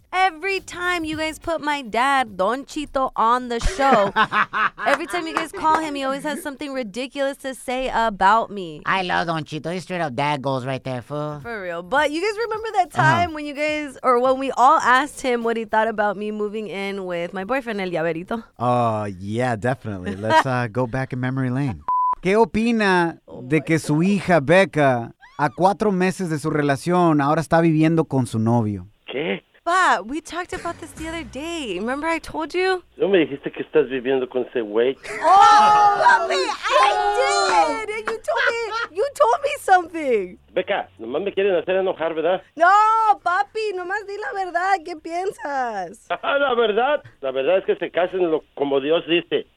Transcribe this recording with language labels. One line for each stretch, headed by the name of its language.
English: Every time you guys put my dad, Don Chito, on the show, every time you guys call him, he always has something ridiculous to say about me. I love Don Chito. He's straight up dad goals right there, fool. For real. But you guys remember that time when you guys, or when we all asked him what he thought about me moving in with my boyfriend, El Llaverito? Yeah, definitely. Let's go back in memory lane.
Spanish: ¿Qué opina de que su hija, Becca, a 4 meses de su relación, ahora está viviendo con su novio? ¿Qué?
English: But we talked about this the other day. Remember I told you?
Spanish: No me dijiste que estás viviendo con ese güey.
English: Oh, mami, I did. And you told me something.
Spanish: Becca, nomás me quieren hacer enojar, ¿verdad? No, papi, nomás di la verdad. ¿Qué piensas? La verdad es que se casen como Dios dice.